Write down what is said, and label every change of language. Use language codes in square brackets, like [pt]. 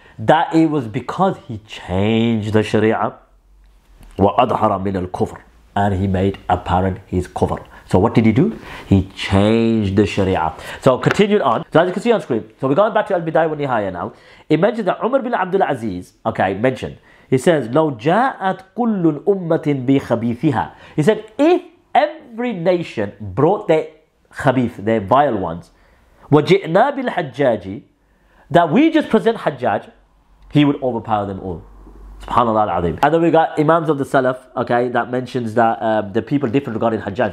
[en] That it was because he changed the Sharia, wa adhara min al-kufr, and he made apparent his kufr. So what did he do? He changed the Sharia. So continued on. So as you can see on screen, so we're going back to al-bidayah wa nihayah now. He mentioned that Umar bin Abdul Aziz, okay, mentioned. He says, [ar] لو جاءت كل أمة بخبيثها. [en] He said, if every nation brought their khabith, their vile ones, [ar] وجئنا بالحجاج, [en] that we just present Hajjaj, he would overpower them all. Subhanallah al-Azim. And then we got Imams of the Salaf, okay, that mentions that the people different regarding Hajjaj.